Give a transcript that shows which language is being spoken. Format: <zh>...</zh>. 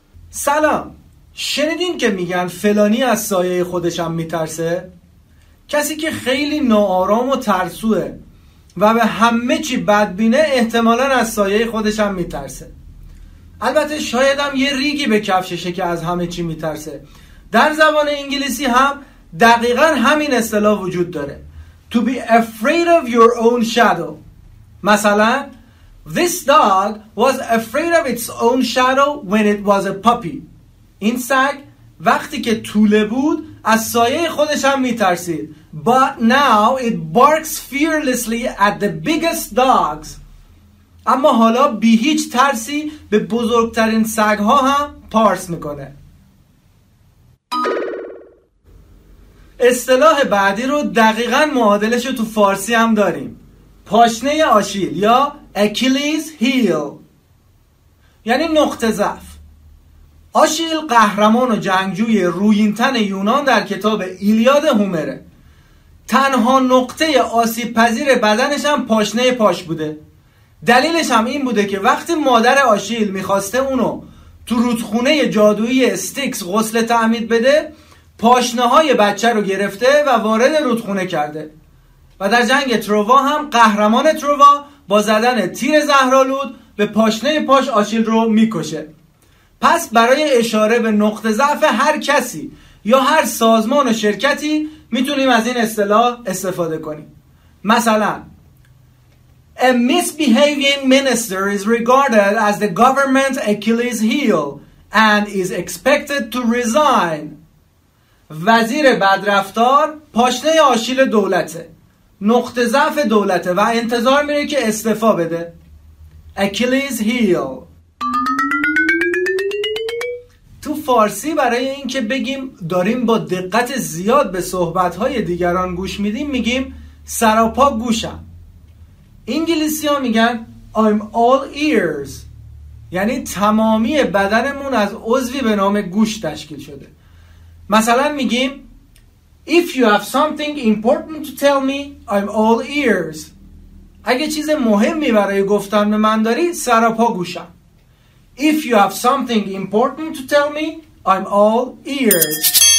<fa>سلام، شنیدین که میگن فلانی از سایه خودشم میترسه؟ کسی که خیلی ناآرام و ترسوه و به همه چی بدبینه احتمالاً از سایه خودشم میترسه. البته شایدم یه ریگی به کفششه که از همه چی میترسه. در زبان انگلیسی هم دقیقاً همین اصطلاح وجود داره،</fa> <en>To be afraid of your own shadow. مثلا This dog was afraid of its own shadow when it was a puppy.</en> <fa>این سگ وقتی که توله بود از سایه خودش هم میترسید.</fa> <en>But now it barks fearlessly at the biggest dogs.</en> <fa>اما حالا بی هیچ ترسی به بزرگترین سگها هم پارس میکنه. اصطلاح بعدی رو دقیقاً معادلش رو تو فارسی هم داریم، پاشنه آشیل یا Achilles heel، یعنی نقطه ضعف. آشیل قهرمان و جنگجوی رویینتن یونان در کتاب ایلیاد هومره. تنها نقطه آسیب پذیر بدنش هم پاشنه پاش بوده. دلیلش هم این بوده که وقتی مادر آشیل میخواسته اونو تو رودخونه جادویی استیکس غسل تعمید بده، پاشنه های بچه رو گرفته و وارد رودخونه کرده. و در جنگ تروا هم قهرمان تروا با زدن تیر زهرالود به پاشنه پاش آشیل رو میکشه. پس برای اشاره به نقطه ضعف هر کسی یا هر سازمان و شرکتی میتونیم از این اصطلاح استفاده کنیم.</fa> <en>مثلا A misbehaving minister is regarded as the government Achilles heel and is expected to resign.</en> <fa>وزیر بدرفتار پاشنه آشیل دولته، نقطه ضعف دولته و انتظار میره که استعفا بده.</fa> <en>Achilles heel.</en> <fa>تو فارسی برای این که بگیم داریم با دقت زیاد به صحبت‌های دیگران گوش میدیم میگیم سراپا گوشم. انگلیسی ها میگن</fa> <en>I'm all ears،</en> <fa>یعنی تمامی بدنمون از عضوی به نام گوش تشکیل شده. مثلا میگیم</fa> <en>If you have something important to tell me, I'm all ears.</en> <fa>اگه چیز مهمی برای گفتن به من داری، سراپا گوشم.</fa> <en>If you have something important to tell me, I'm all ears.</en>